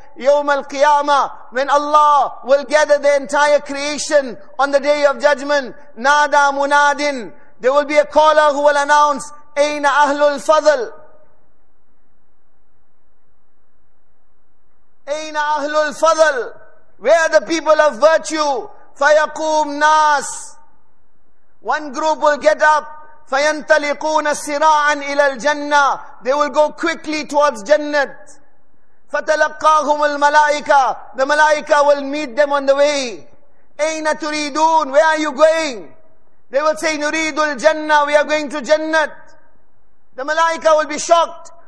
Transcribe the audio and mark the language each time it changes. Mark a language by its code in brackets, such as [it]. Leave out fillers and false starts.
[ar] يوم القيامة, [en] when Allah will gather the entire creation on the day of judgment, [ar] نادى منادٍ, [en] there will be a caller who will announce, [ar] أين أهل الفضل؟ أين أهل الفضل؟ [en] Where are the people of virtue? [ar] فيقوم ناس. [en] One group will get up. [ar] فينطلقون سراعا إلى الجنة. [en] They will go quickly towards Jannah. [ar] فتلقاهم الملائكة. [en] The ملائكة will meet them on the way. [ar] أين تريدون? [en] Where are you going? They will say, [ar] نريد الجنة. [en] We are going to Jannah. The ملائكة will be shocked.